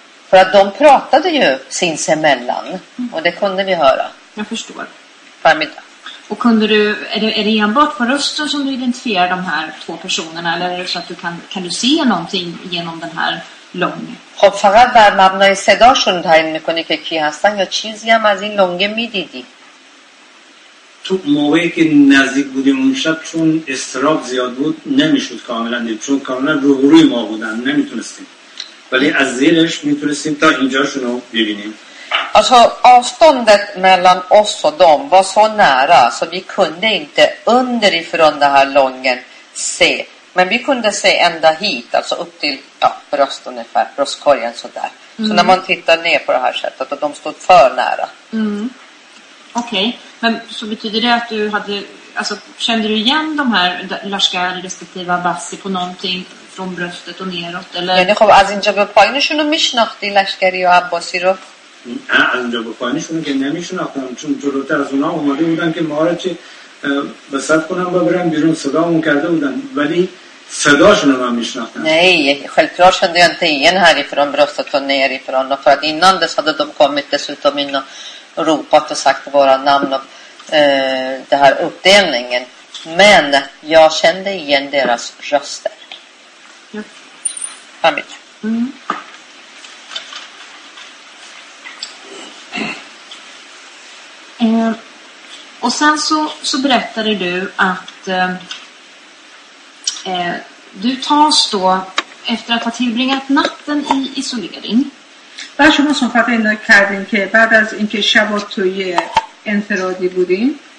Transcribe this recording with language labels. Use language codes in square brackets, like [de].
[sv] För att de pratade ju sinsemellan. Och det kunde vi höra. Jag förstår. Förmiddag. Och kunde du, är det enbart på rösten som du identifierar de här två personerna? Eller är det så att du kan du se någonting genom den här lången? [fa] خب فقط در مبنای صداشون تعیین میکنی که کی هستن یا چیزی هم از این لونگه میدیدی. تو موقعی که نزدیک بودیم اون شب چون استراب زیاد بود نمیشد کاملا دید چون کاملا روبروی ما بودن نمیتونستیم ولی از زیرش میتونستیم تا اینجاشون رو ببینیم [sv] Alltså avståndet mellan oss och dem var så nära så vi kunde inte underifrån det här lången se men vi kunde se ända hit alltså upp till ja, bröst ungefär bröstkorgen sådär så när man tittar ner på det här sättet att de stod för nära Okej, men så betyder det att du hade, alltså kände du igen de här Lashkari respektive Abbasi på någonting från bröstet och neråt eller? [fa] Yani خب از اینجا به پایینشون رو میشناختی لشکری و عباسی رو؟ از اینجا به پایینشون که نمیشناختم چون جلوتر از اونها اومده بودن که ما را چی بسط کنم با برم بیرون صدا اون کرده بودن ولی صداشون رو من میشناختم. [sv] نه، självklart kände jag inte igen härifrån bröstet och nerifrån och för att innan dess hade de kommit dessutom in och ropat och sagt våra namn och den här uppdelningen. Men jag kände igen deras röster. Ja. Hamid. Och sen så berättade du att du tas då efter att ha tillbringat natten i isolering. [fa] بعد شما صحبت این کردین که بعد از اینکه شب و توی انفرادی بودیم